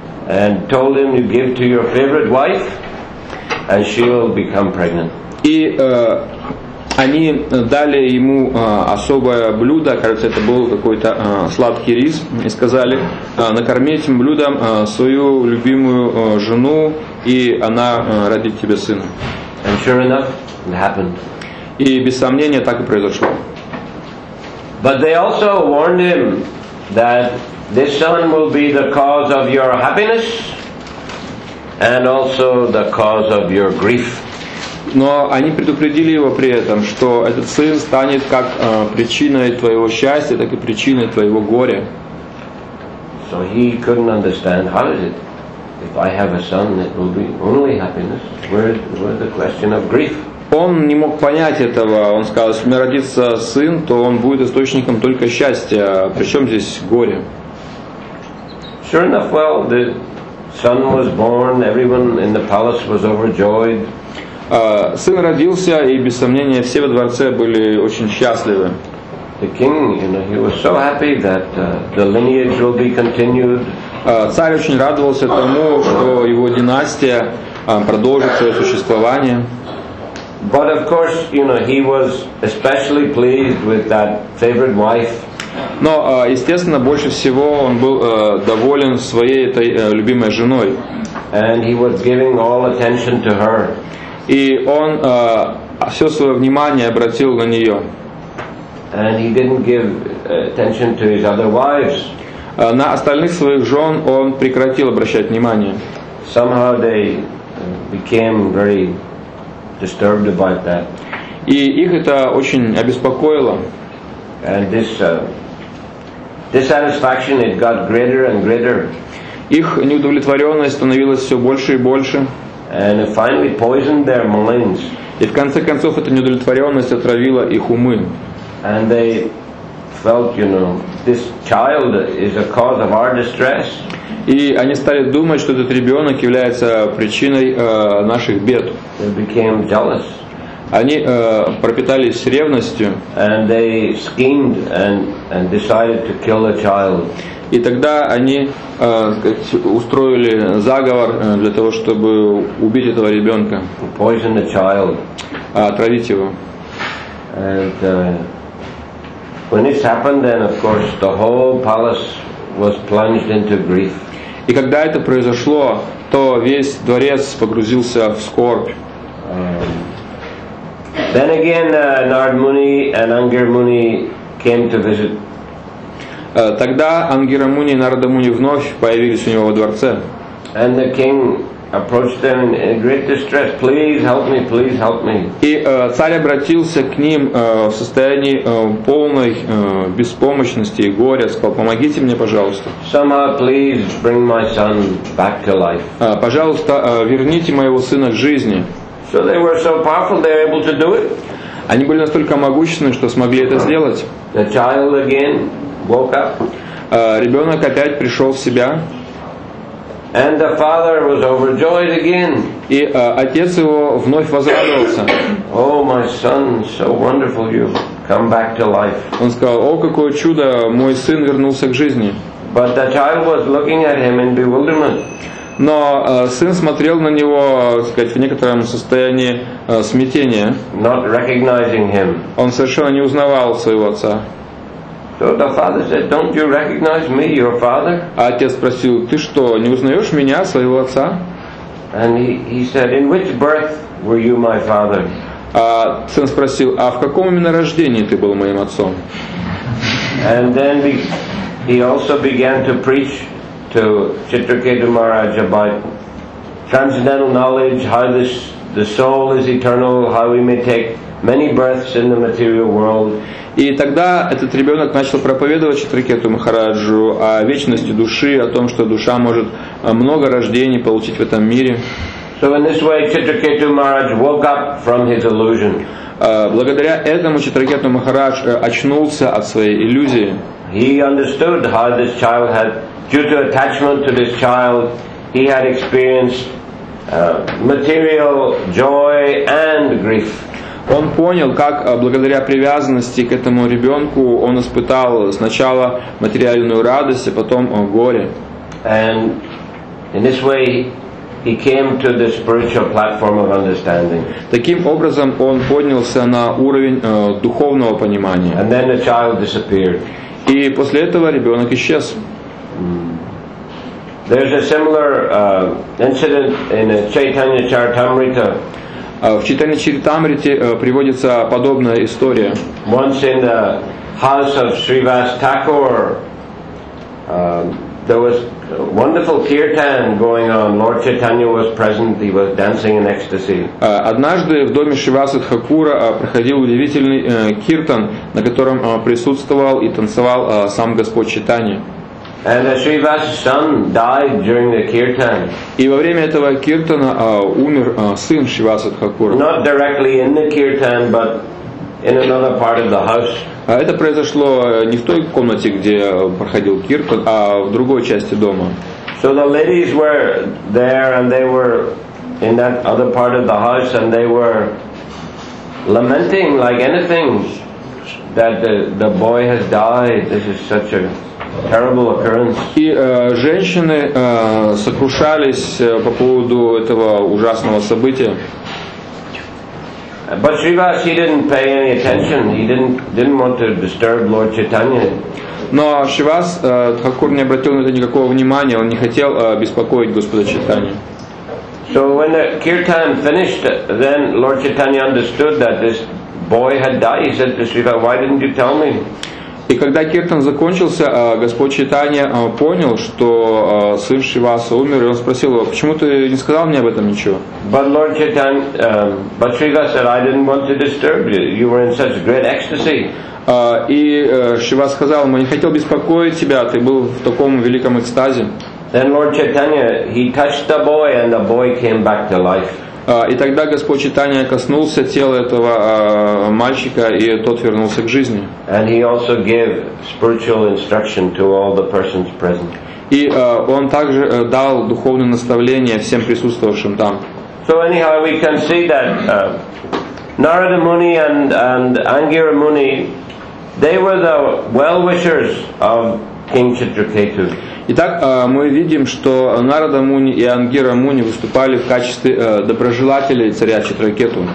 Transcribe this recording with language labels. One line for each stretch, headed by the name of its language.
English: and told him you give to your favorite wife and she will become pregnant.
Russian: И они дали ему особое блюдо, кажется, это был какой-то сладкий рис, и сказали: накорми этим блюдом свою любимую жену, и она родит тебе сына.
English: And sure enough, it happened.
Russian: И без сомнения так и произошло.
English: But they also warned him that this son will be the cause of your happiness and also the cause of your grief.
Russian: Но они предупредили его при этом, что этот сын станет как причиной твоего счастья, так и причиной твоего горя.
English: So he couldn't understand how is it? If I have a son, it will be only happiness. Where's the question of grief?
Russian: Он не мог понять этого. Он сказал, если у меня родится сын, то он будет источником только счастья. Причем здесь горе?
English: Sure enough, well, the son was born. Everyone in the palace was overjoyed.
Russian: Сын родился, и без сомнения все во дворце были очень счастливы.
English: The king, you know, he was so happy that the lineage will be continued.
Russian: Царь очень радовался тому, что его династия продолжит свое существование.
English: But of course, you know, he was especially pleased with that favorite wife.
Russian: Но, естественно, больше всего он был доволен своей этой любимой женой.
English: And he was giving all attention to her.
Russian: И он все свое внимание обратил на нее.
English: And he didn't give attention to his other wives.
Russian: На остальных своих жен он прекратил обращать внимание.
English: Somehow they became very disturbed about that.
Russian: И их это очень обеспокоило.
English: And this dissatisfaction it got greater and greater.
Russian: Их неудовлетворенность становилась все больше и больше.
English: And it finally poisoned their minds.
Russian: И в конце концов эта неудовлетворенность отравила их умы.
English: And they felt, you know, this child is a cause of our distress.
Russian: И они стали думать, что этот ребенок является причиной наших бед.
English: They became jealous.
Russian: Они пропитались ревностью.
English: And they schemed and decided to kill the child.
Russian: И тогда они устроили заговор для того, чтобы убить этого ребенка.
English: To poison the child.
Russian: Отравить его.
English: And when this happened, then of course the whole palace was plunged into grief.
Russian: И когда это произошло, то весь дворец погрузился в скорбь.
English: Then again, Narad Muni and Angir Muni came to visit.
Russian: Тогда Ангира Муни и Нарада Муни вновь появились у него во дворце.
English: And the king approached them in great distress. Please help me, please help me.
Russian: И царь обратился к ним в состоянии полной беспомощности и горя, сказал: помогите мне, пожалуйста.
English: Somehow, please bring my son back to life.
Russian: Пожалуйста, верните моего сына к жизни.
English: So they were so powerful, they were able to do it.
Russian: Они были настолько могущественны, что смогли это сделать.
English: The child again woke up.
Russian: Ребенок опять пришел в себя.
English: And the father was overjoyed again.
Russian: И отец его вновь возрадовался.
English: Oh, my son, so wonderful, you've come back to life.
Russian: Он сказал: о, какое чудо, мой сын вернулся к жизни.
English: But the child was looking at him in bewilderment.
Russian: Но сын смотрел на него, так сказать, в некотором состоянии смятения.
English: Not recognizing him.
Russian: Он совершенно не узнавал своего отца.
English: So the father said, "Don't you recognize me, your father?"
Russian: А отец спросил: ты что, не узнаешь меня, своего отца?
English: And he said, "In which birth were you my father?"
Russian: А сын спросил: а в каком именно рождении ты был моим отцом?
English: And then he also began to preach to Chitraketu Maharaj about transcendental knowledge, how this the soul is eternal, how we may take many births in the material world.
Russian: И тогда этот ребенок начал проповедовать Читракету Махараджу о вечности души, о том, что душа может много рождений получить в этом мире.
English: So in this way, Chitraketu Maharaj woke up from his illusion.
Russian: Благодаря этому Читракету Махарадж очнулся от своей иллюзии.
English: He understood how this child had, due to attachment to this child, he had experienced material joy and grief.
Russian: Он понял, как благодаря привязанности к этому ребенку он испытал сначала материальную радость, а потом горе.
English: And In this way, he came to the spiritual platform of understanding.
Russian: Таким образом, он поднялся на уровень духовного понимания.
English: And then the child disappeared.
Russian: И после этого ребенок исчез.
English: There's a similar incident in the Chaitanya Charitamrita.
Russian: В Чайтанья Чаритамрите приводится подобная история.
English: Once in the house of Srivas Thakur, there was wonderful kirtan going on. Lord Chaitanya was present. He was dancing in ecstasy.
Russian: Однажды в доме Шриваса Тхакура проходил удивительный киртан, на котором присутствовал и танцевал сам Господь Чайтанья.
English: And Srivas' son died during the kirtan.
Russian: И во время этого киртана умер сын Шриваса Тхакура.
English: Not directly in the kirtan, but in another part of the house.
Russian: А это произошло не в той комнате, где проходил киртан, а в другой части дома.
English: So the ladies were there, and they were in that other part of the house, and they were lamenting like anything that the boy has died. This is such a terrible occurrence.
Russian: И женщины сокрушались по поводу этого ужасного события.
English: But Srivas, he didn't pay any attention. He didn't want to disturb Lord Chaitanya.
Russian: Но Шивас Тхакур не обратил на это никакого внимания. Он не хотел беспокоить Господа Чайтанью.
English: So when the kirtan finished, then Lord Chaitanya understood that this boy had died. He said to Srivas, "Why didn't you tell me?"
Russian: И когда киртан закончился, Господь Чайтанья понял, что сын Шриваса умер, и он спросил его, почему ты не сказал мне об этом ничего?
English: But Lord Chaitanya, but Shiva said, I didn't want to disturb you. You were in such great ecstasy.
Russian: И Шива сказал ему, я не хотел беспокоить тебя, ты был в таком великом экстазе.
English: Then Lord Chaitanya, he touched the boy, and the boy came back to life.
Russian: И тогда Господь Чайтанья коснулся тела этого мальчика, и тот вернулся к жизни.
English: And he also gave spiritual instruction to all the persons present.
Russian: И он также дал духовное наставление всем присутствовавшим там.
English: So anyhow, we can see that Narada Muni and Angira Muni, they were the well-wishers of King Chitraketu.
Russian: Итак, мы видим, что Нарада Муни и Ангира Муни выступали в качестве доброжелателей царя Читракету.